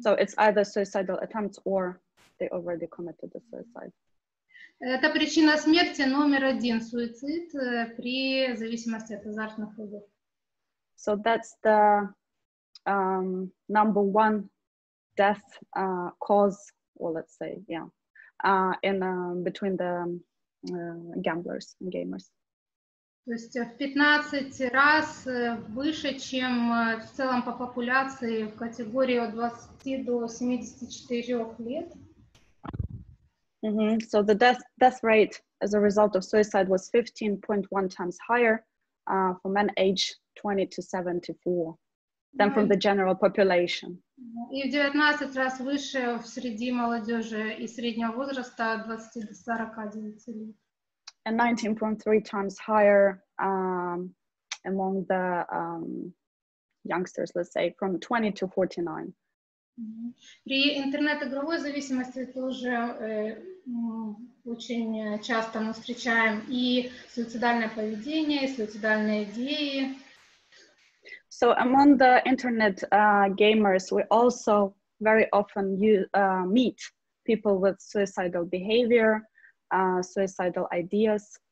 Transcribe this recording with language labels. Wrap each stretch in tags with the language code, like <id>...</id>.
<en>So it's either suicidal attempts or they already committed the suicide.</en> <ru>Это причина смерти номер один, суицид при зависимости от азартных игр.</ru> <en>So that's the number one death cause, well, let's say, yeah, in between the gamblers and gamers.</en> <ru>То есть в 15 раз выше, чем в целом по популяции в категории от 20 до 74 лет. Mm-hmm.</ru> <en>So the death rate as a result of suicide was 15.1 times higher for men aged 20 to 74 than from the general population.</en> <ru>И в 19 раз выше в среди молодежи и среднего возраста от 20 до 49 лет.</ru> <en>And 19.3 times higher among the youngsters, let's say, from 20 to 49.</en> <ru>При интернет-игровой зависимости тоже очень часто мы встречаем и суицидальное поведение, и суицидальные идеи.</ru> <en>So among the internet gamers, we also very often meet people with suicidal behavior, suicidal ideas.</en>